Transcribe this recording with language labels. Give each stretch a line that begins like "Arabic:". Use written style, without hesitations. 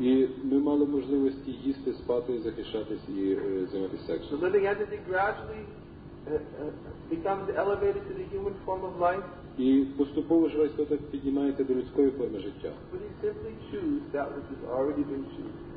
Ukrainian: І ми мали можливості їсти, спати, захищатись і займатися сексом.
English: The living entity gradually becomes elevated to the human form of life.
Ukrainian: І поступово живе істота піднімається до людської форми життя.
English: But he simply chews that which has already been chewed.